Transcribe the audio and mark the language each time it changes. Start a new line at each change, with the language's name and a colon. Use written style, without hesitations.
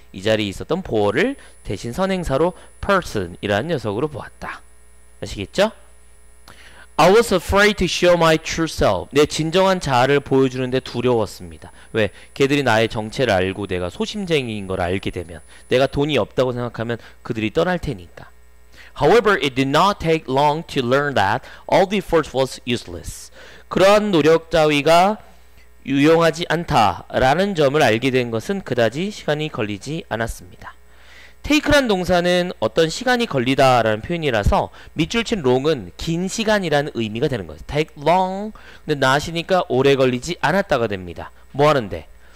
Korean: 이 자리에 있었던 보어를 대신 선행사로 person이라는 녀석으로 보았다. 아시겠죠?
English: I was afraid to show my true self.
Korean: 내 진정한 자아를 보여주는데 두려웠습니다. 왜? 걔들이 나의 정체를 알고 내가 소심쟁이인 걸 알게 되면, 내가 돈이 없다고 생각하면 그들이 떠날 테니까.
English: However, it did not take long to learn that all the effort was useless.
Korean: 그러한 노력 따위가 유용하지 않다라는 점을 알게 된 것은 그다지 시간이 걸리지 않았습니다. take란 동사는 어떤 시간이 걸리다 라는 표현이라서 밑줄 친 long은 긴 시간이라는 의미가 되는 거예요. take long, 근데 not이니까 오래 걸리지 않았다가 됩니다. 뭐 하는데?